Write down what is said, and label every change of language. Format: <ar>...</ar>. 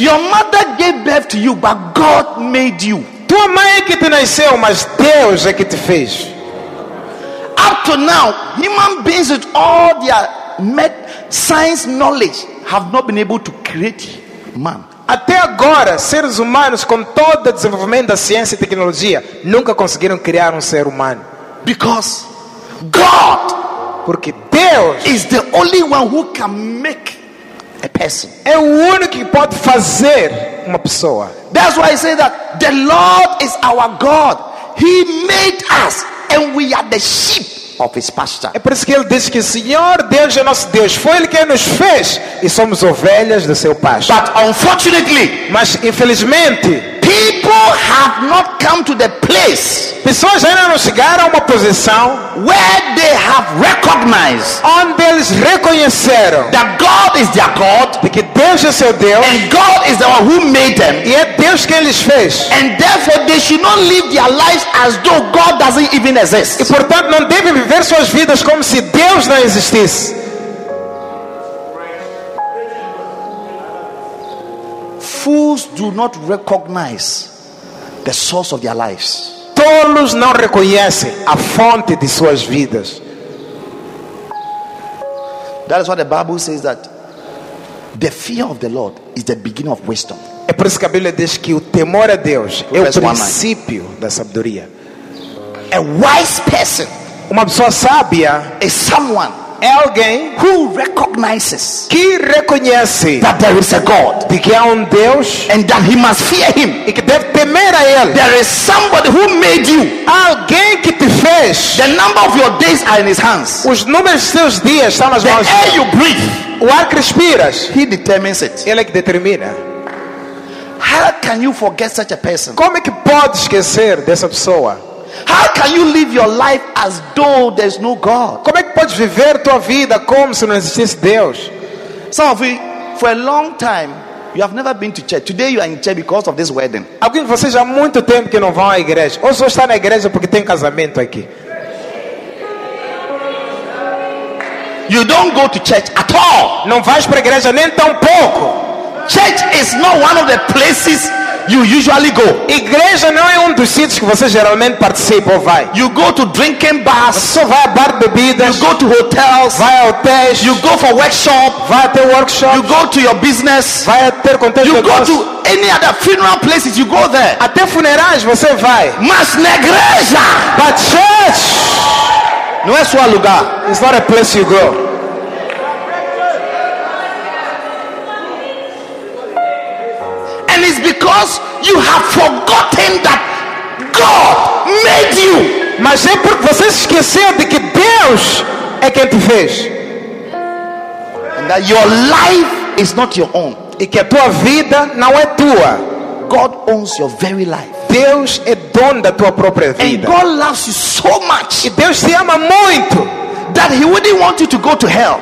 <en>Your mother gave birth to you, but God made you.</en> <pt>Tua mãe é que te nasceu, mas Deus é que te fez.</pt> <en>Up to now, human beings with all their science knowledge have not been able to create man.</en> <pt>Até agora, seres humanos com todo o desenvolvimento da ciência e tecnologia nunca conseguiram criar ser humano.</pt> <en>Because God,</en> <pt>porque Deus,</pt> <en>is the only one who can make a person.</en> <pt>É o único que pode fazer uma pessoa.</pt> <en>That's why I say that the Lord is our God. He made us. And we are the sheep of his pasture.</en> <pt>É por isso que ele disse que o Senhor Deus é nosso Deus. Foi ele quem nos fez e somos ovelhas do seu pasto.</pt> <en>But unfortunately,</en> <pt>mas infelizmente,</pt> <en>people have have not come to the place.</en> <pt>Pessoas ainda não chegaram a uma posição</pt> <en>where they have recognized.</en> <pt>Onde eles reconheceram</pt> <en>that God is their God.</en> <pt>Porque Deus é seu Deus.</pt> <en>And God is the one who made them.</en> <pt>E é Deus quem lhes fez.</pt> <en>And therefore they should not live their lives as though God doesn't even exist.</en> <pt>E portanto não devem viver suas vidas como se Deus não existisse.</pt> <en>Fools do not recognize the source of their lives.</en> <pt>Tolos não reconhecem a fonte de suas vidas.</pt> <en>That is why the Bible says that the fear of the Lord is the beginning of wisdom.</en> <pt>É por isso que a Bíblia diz que o temor a Deus é o princípio da sabedoria.</pt> <en>A wise person,</en> <pt>uma pessoa sábia,</pt> <en>is someone.</en> <pt>É alguém</pt> <en>who recognizes</en> <pt>que reconhece</pt> <en>that there is a God,</en> <pt>de que há Deus,</pt> <en>and that he must fear him,</en> <pt>e que deve temer a ele.</pt> <en>There is somebody who made you,</en> <pt>alguém que te fez.</pt> <en>The number of your days are in his hands.</en> <pt>Os números dos seus dias estão nas mãos.</pt> <en>The air you breathe,</en> <pt>o ar que respiras,</pt> <en>he determines it.</en> <pt>Ele é que determina.</pt> <en>How can you forget such a person?</en> <pt>Como é que pode esquecer dessa pessoa?</pt> <en>How can you live your life as though there's no God?</en> <pt>Como é que podes viver tua vida como se não existisse Deus?</pt> <en>Some of you, for a long time, you have never been to church. Today you are in church because of this wedding.</en> <pt>Alguns de vocês há muito tempo que não vão à igreja. Ou só está na igreja porque tem casamento aqui.</pt> <en>You don't go to church at all.</en> <pt>Não vais para a igreja nem tão pouco.</pt> <en>Church is not one of the places you usually go.</en> <pt>Igreja não é dos sítios que você geralmente participa ou vai.</pt> <en>You go to drinking bars.</en> <pt>Você vai a bar de bebidas.</pt> <en>You go to hotels.</en> <pt>Vai a hotéis.</pt> <en>You go for workshop.</en> <pt>Vai a ter workshop.</pt> <en>You go to your business.</en> <pt>Vai a ter contexto.</pt> <en>You go to any other funeral places. You go there.</en> <pt>Até funerais você vai. Mas na igreja.</pt> <en>But church.</en> <pt>Não é só lugar.</pt> <en>It's not a place you go. Because you have forgotten that God made you.</en> <pt>Mas é porque você se esqueceu de que Deus é quem te fez.</pt> <en>And that your life is not your own.</en> <pt>E que a tua vida não é tua.</pt> <en>God owns your very life.</en> <pt>Deus é dono da tua própria vida.</pt> <en>And God loves you so much.</en> <pt>E Deus te ama muito.</pt> <en>That he wouldn't want you to go to hell.</en>